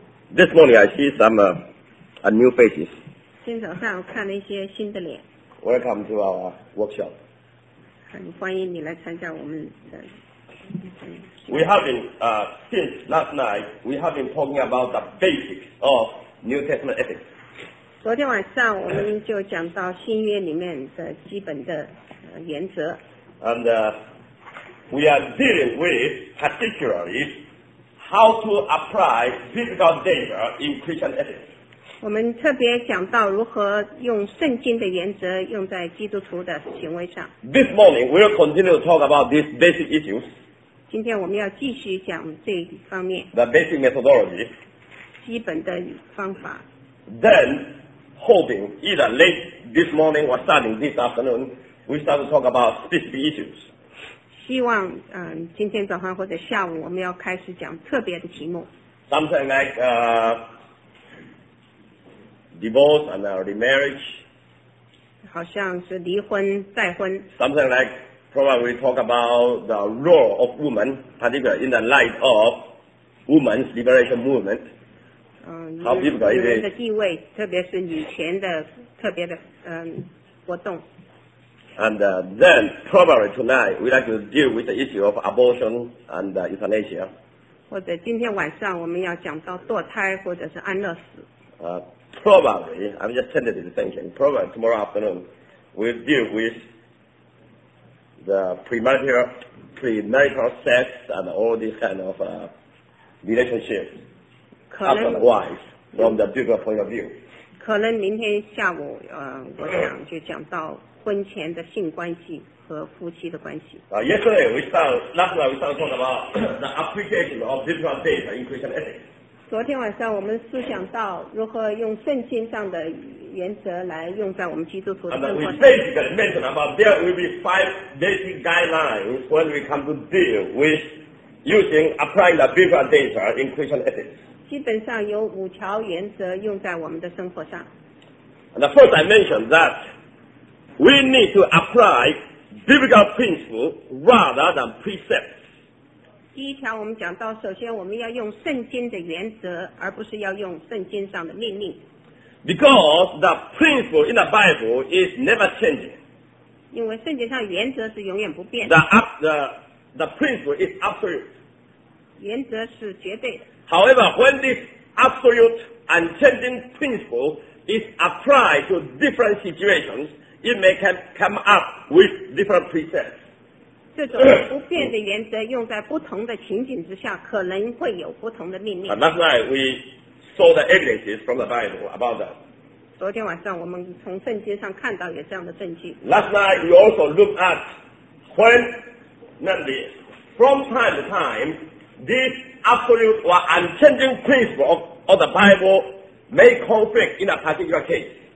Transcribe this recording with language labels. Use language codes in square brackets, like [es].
[en] This morning I see some a new faces. [zh] 今天早上我看了一些新的脸。 [en] Welcome to our workshop. [zh] 很欢迎你来参加我们的。 [en] We have been since last night we have been talking about the basics of New Testament ethics. [zh] 昨天晚上我们就讲到新约里面的基本的原则。 [en] And we are dealing with particularly how to apply biblical data in Christian ethics. [zh] 我们特别讲到如何用圣经的原则用在基督徒的行为上。 [en] This morning we will continue to talk about these basic issues. [zh] 今天我们要继续讲这一方面。 [en] The basic methodology. [zh] 基本的方法。 [en] Then, hoping either late this morning or starting this afternoon, we start to talk about specific issues. [zh] 希望今天早上或者下午我们要开始讲特别的题目。 [en] Something like divorce and remarriage. [zh] 好像是离婚再婚。 [en] Something like probably we talk about the role of women, particularly in the light of women's liberation movement. How biblical is it? [zh] 女人的地位，特别是女权的特别的活动。 [en] And then, probably tonight, we'd like to deal with the issue of abortion and euthanasia. [zh] 或者今天晚上我们要讲到堕胎或者是安乐死。 [en] Probably, I'm just tentative thinking, probably tomorrow afternoon, we'll deal with the premarital sex and all these kind of relationships, husband and wife, from the biblical point of view. [zh] 可能明天下午我想就讲到婚前的性关系和夫妻的关系。 [en] Yesterday we started, last night we started talking about the application of biblical data in Christian ethics. [zh] 昨天晚上我们思想到如何用圣经上的原则来用在我们基督徒的生活上。 [en] And we basically mentioned about there will be five basic guidelines when we come to deal with applying the biblical data in Christian ethics. [zh] 基本上有五条原则用在我们的生活上。 [en] And the first I mentioned that. We need to apply biblical principle rather than precepts. [zh] 第一条我们讲到，首先我们要用圣经的原则，而不是要用圣经上的命令。 [en] Because the principle in the Bible is never changing. [zh] 因为圣经上原则是永远不变的。 [en] The principle is absolute. [zh] 原则是绝对的。 [en] However, when this absolute and changing principle is applied to different situations,It may come up with different precepts. [zh] 这种不变的原则用在不同的情景之下，可能会有不同的命令。 [en] And last night we saw the evidences from the Bible about that. [zh] 昨天晚上我们从圣经上看到有这样的证据。 [en] Last night we also looked at when, namely, from time to time, this absolute or unchanging principle of the Bible may conflict in a particular case.